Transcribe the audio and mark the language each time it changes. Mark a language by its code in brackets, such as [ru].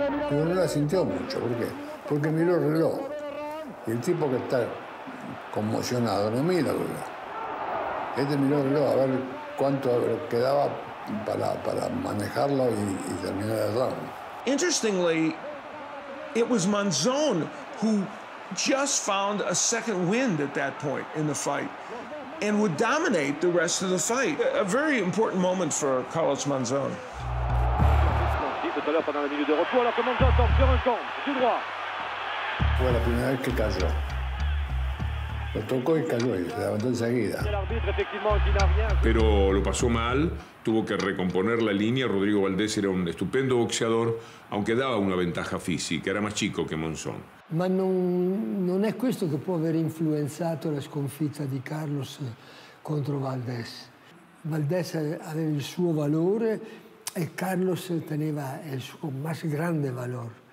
[es] Pero no la sintió mucho, ¿por qué? Porque miró el reloj. Y el tipo que está conmocionado no mira el reloj. Este miró el reloj a ver cuánto quedaba para manejarlo y terminar el round. [en] Interestingly, it was Monzón who just found a second wind at that point in the fight and would dominate the rest of the fight. A very important moment for Carlos Monzón. [es] Fue la primera vez que cayó. Lo tocó y cayó y se levantó enseguida. Pero lo pasó mal, tuvo que recomponer la línea. Rodrigo Valdés era un estupendo boxeador, aunque daba una ventaja física, era más chico que Monzón. [it] Ma non è questo che può aver influenzato la sconfitta di Carlos contro Valdés. Valdés aveva il suo valore e Carlos teneva il suo [es] más grande valor.